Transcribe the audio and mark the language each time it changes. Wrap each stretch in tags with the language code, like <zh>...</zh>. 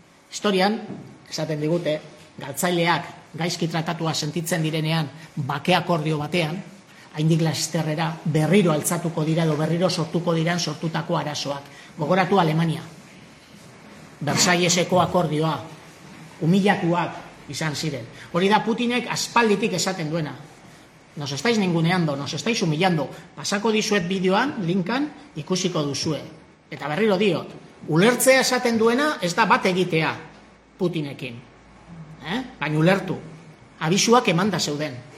<eu>Historian, esaten digute, galtzaileak gaizki tratatua sentitzen direnean bake akordio batean, haindik lasterrera berriro altzatuko dira edo berriro sortuko diran sortutako arazoak. Gogoratu Alemania, Versailleseko akordioa, humilatuak izan ziren. Hori da Putinek aspalditik esaten duena.</eu> <es>Nos estáis ninguneando, nos estáis humillando.</es> <eu>Pasako dizuet bideoan, linkan, ikusiko duzue. Eta berriro diot, ulertzea esaten duena ez da bat egitea Putinekin. Baina ulertu, abisuak emanda zeuden.</eu>